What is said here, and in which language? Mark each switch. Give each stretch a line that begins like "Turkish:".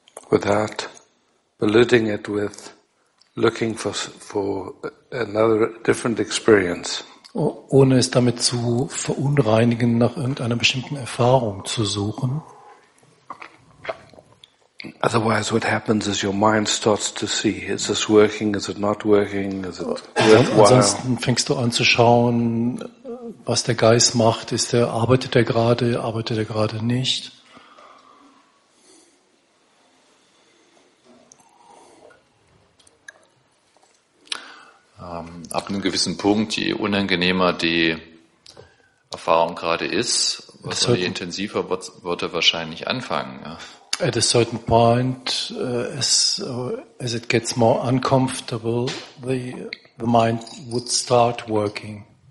English: Without polluting it with looking for another different experience.
German: Ohne es damit zu verunreinigen, nach irgendeiner bestimmten Erfahrung zu suchen.
English: Otherwise, what happens is your mind starts to see: is this working? Is it not working? Is it worthwhile?
German: Ansonsten fängst du an zu schauen, was der Geist macht. Ist der arbeitet er gerade? Arbeitet er gerade nicht? Ab einem gewissen Punkt, je unangenehmer die Erfahrung gerade ist, also je intensiver wird er wahrscheinlich anfangen. Ja.
English: At a certain point, as it gets more uncomfortable, the mind would start working.